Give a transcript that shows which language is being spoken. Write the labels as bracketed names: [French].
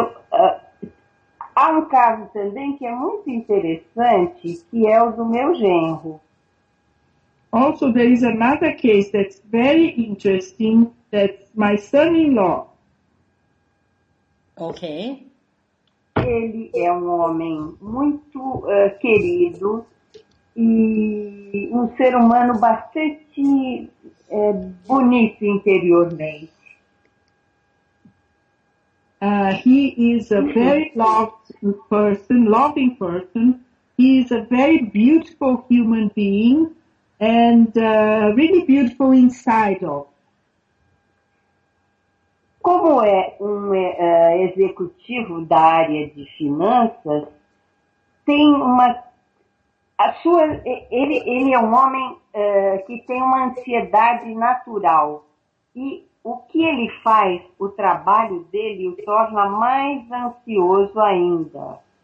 [Portuguese] Há um caso também que é muito interessante, que é o do meu genro. [English] Also, there is another case that's very interesting, that's my son-in-law. Okay. [Portuguese] Ele é um homem muito querido e um ser humano bastante bonito interiormente. [English] He is a very loved person, loving person. He is a very beautiful human being and really beautiful inside of. [Portuguese] Como é um executivo da área de finanças, tem uma... A sua, ele é um homem que tem uma ansiedade natural. E o que ele faz, o trabalho dele, o torna mais ansioso ainda.